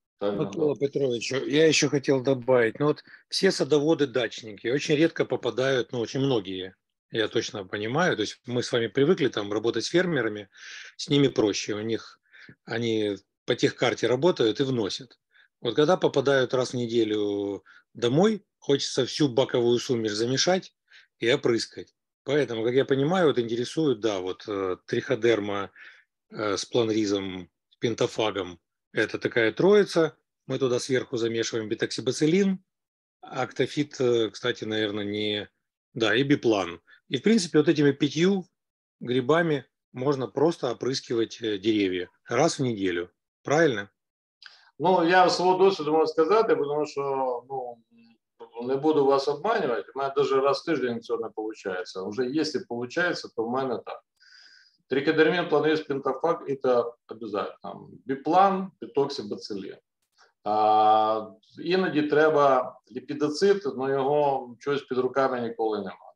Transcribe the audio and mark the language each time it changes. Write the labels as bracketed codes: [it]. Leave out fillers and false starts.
[uk] Микола Петрович, я ще хотів додати. Ну, от всі садоводи-дачники дуже рідко попадають, ну, дуже багато, я точно розумію. Тобто ми з вами привикли там працювати з фермерами, з ними проще. У них вони по техкарті працюють і вносять. От коли попадають раз в неділю [ru] домой, хочется всю баковую сумесь замешать и опрыскать. Поэтому, как я понимаю, вот интересует, да, вот триходерма с планризом, пентофагом, это такая троица, мы туда сверху замешиваем бетоксибацилин, актофит, кстати, наверное, не... Да, и биплан. И, в принципе, вот этими пятью грибами можно просто опрыскивать деревья раз в неделю. Правильно? [uk] Ну, я в свою досвіду можу сказати, [ru] потому что, [uk] ну, не буду вас обманювати, у мене навіть раз в тиждень цього не виходить. Вже якщо виходить, то в мене так. Трикодермін, планиріз, пентафаг, і це обов'язково. Біплан, бетоксибацилін. Іноді треба ліпідоцит, але його чогось під руками ніколи нема.